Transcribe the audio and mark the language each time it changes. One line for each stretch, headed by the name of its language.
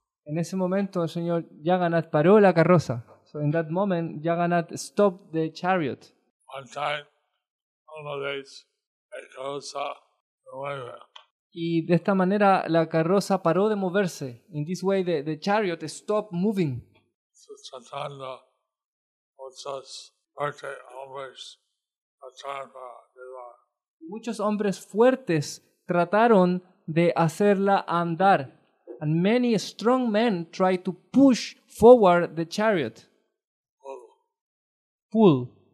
Spanish: En ese momento el señor Jagannath paró la carroza.
English: So in that moment, Jagannath stopped the chariot. One time,
Spanish: uno de ellos, la carroza se mueve. Y de esta manera, la carroza paró de moverse.
English: In this way, the chariot stopped moving.
Spanish: So, tratando muchos fuertes hombres trataron para llevar. Muchos hombres fuertes trataron de hacerla andar.
English: And many strong men tried to push forward the chariot. Pull.